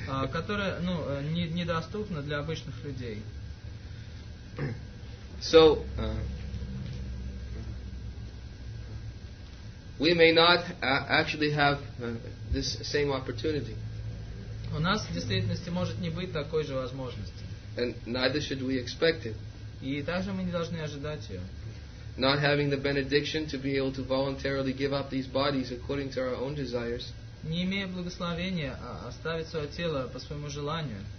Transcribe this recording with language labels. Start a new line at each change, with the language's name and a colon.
Russian: Которая, недоступна для обычных людей.
English: So, we may not actually have this same opportunity.
Russian: У нас в действительности может не быть такой же возможности.
English: And neither should we expect it.
Russian: И также мы не должны ожидать ее.
English: Not having the benediction to be able to voluntarily give up these bodies according to our own desires.
Russian: Не имея благословения оставить свое тело по своему желанию.